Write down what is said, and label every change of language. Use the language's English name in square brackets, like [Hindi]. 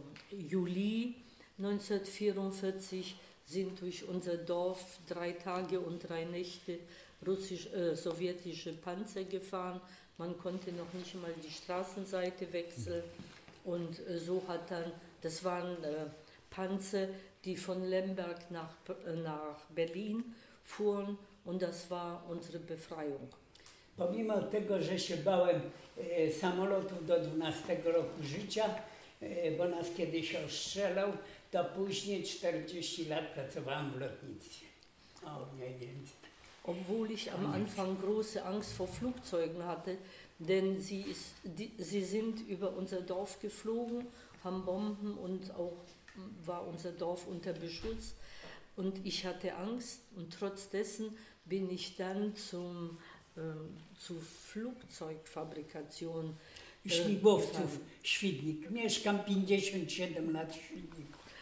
[German] Juli 1944 sind durch unser Dorf 3 Tage und 3 Nächte sowjetische Panzer gefahren. Man konnte noch nicht mal die Straßenseite wechseln. Und so hat dann, das waren Panzer, die von Lemberg nach Berlin fuhren, und das war unsere Befreiung. [Polish] Pomimo tego, że się bałem samolotów do 12 roku życia, bo nas kiedyś ostrzelał, to później 40 lat pracowałem w lotnictwie. O, mniej więcej. [German] Obwohl ich am Anfang große Angst vor Flugzeugen hatte, denn sie sind über unser Dorf geflogen, haben Bomben, und auch war unser Dorf unter Beschuss. Und ich hatte Angst, und trotz dessen bin ich dann zur Flugzeugfabrikation. [Polish] Śmigłowców, Świdnik. Mieszkam 57 lat w Świdniku.